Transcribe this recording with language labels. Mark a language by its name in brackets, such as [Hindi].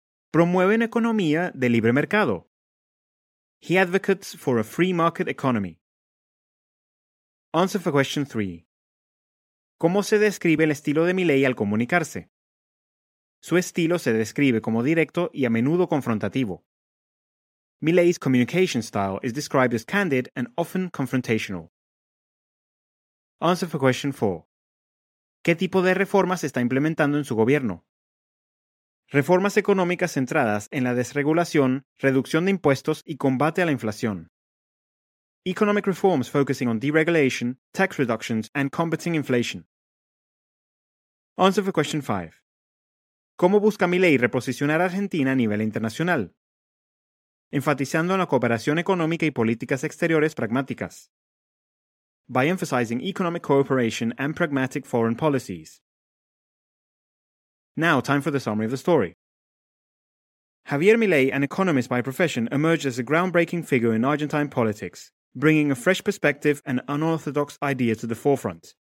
[Spanish] Promueve una economía de libre mercado. [English] He advocates for a free market economy. Answer for question 3. [Spanish] ¿Cómo se describe el estilo de Milei al comunicarse? su estilo se describe como directo y a menudo confrontativo. [English] Milei's communication style is described as candid and often confrontational. Answer for question 4. [Spanish] ¿Qué tipo de reformas está implementando en su gobierno? Reformas económicas centradas en la desregulación, reducción de impuestos y combate a la inflación. [English] Economic reforms focusing on deregulation, tax reductions, and combating inflation. Answer for question 5. [Spanish] ¿Cómo busca Milei reposicionar a Argentina a nivel internacional? Enfatizando en la cooperación económica y políticas exteriores pragmáticas. [English] By emphasizing economic cooperation and pragmatic foreign policies. Now, time for the summary of the story. Javier Milei, an economist by profession, emerged as a groundbreaking figure in Argentine politics, bringing a fresh perspective and unorthodox idea to the forefront.